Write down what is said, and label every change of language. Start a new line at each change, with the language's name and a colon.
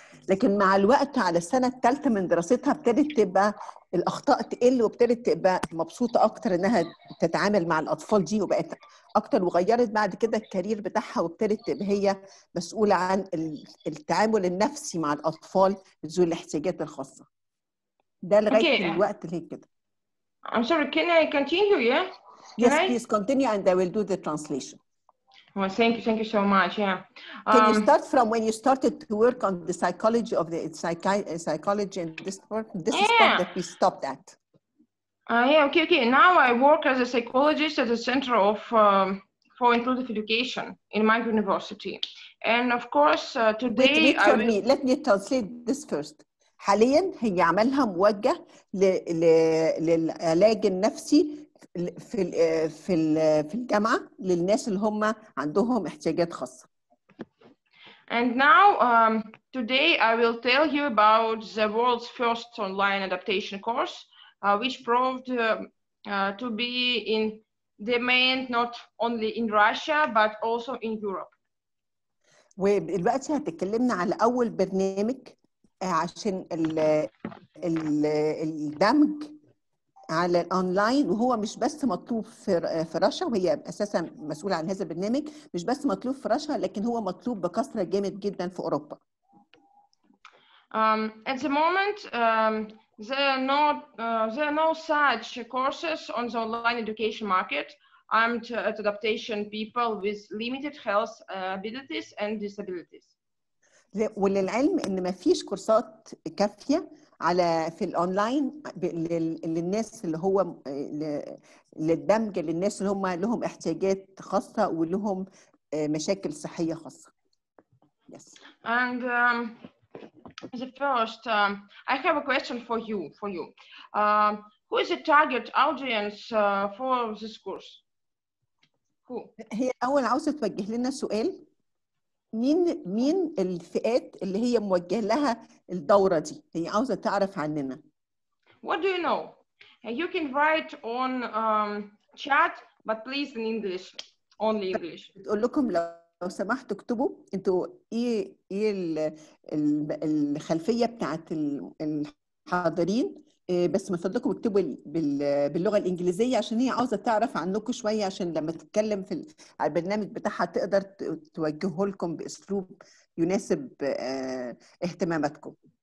Arabic: لكن مع الوقت على السنة الثالثة من دراستها ابتدت تبقى الأخطاء تقل وابتدت تبقى مبسوطة أكتر أنها تتعامل مع الأطفال دي وبقت أكتر وغيرت بعد كده الكارير بتاعها وابتدت تبقى هي مسؤولة عن التعامل النفسي مع الأطفال ذوي الاحتياجات الخاصة ده لغاية الوقت اللي كده
English: I'm sorry, can I continue, yeah? Yes, please continue and I will do the translation. Well, thank you so much, yeah. Can you start from when you started to work on the psychology of the psychology and this work? This is part that we stopped at. Okay. Now I work as a psychologist at the Center of for Inclusive Education in my university. And of course, today... Let me translate this first.
Arabic: حاليا هي عملها موجه للعلاج النفسي في الجامعة للناس اللي هم عندهم احتياجات خاصة.
English: And now, today I will tell you about the world's first online adaptation course, which proved to be in demand not only in Russia but also in Europe.
Arabic: ودلوقتي هتكلمنا على أول برنامج عشان الدمج على الأونلاين وهو مش بس مطلوب في رشا وهي أساسا مسؤولة عن هذا البرنامج مش بس مطلوب في رشا لكن هو مطلوب بكثرة جامد جدا في أوروبا.
English: At the moment there are no such courses on the online education market. I'm at adaptation people with limited health abilities and disabilities.
Arabic: وللعلم ان مفيش كورسات كافية على في الاونلاين للناس اللي هو للدمج للناس اللي هم لهم احتياجات خاصة ولهم مشاكل صحية خاصة.
English: Yes. And the first, I have a question for you. Who is the target audience for this course?
Arabic: هي أول عاوزة توجه لنا سؤال مين الفئات اللي هي موجه لها الدورة دي هي عاوزة تعرف عننا.
English: What do you know? You can write on chat, but please in English, only English.
Arabic: بتقول لكم لو سمحتوا اكتبوا انتوا ايه الخلفية بتاعت الحاضرين بس من فضلكم اكتبوا باللغة الإنجليزية عشان هي عاوزة تعرف عنكم شوية عشان لما تتكلم في البرنامج بتاعها تقدر توجهه لكم بأسلوب يناسب اهتماماتكم.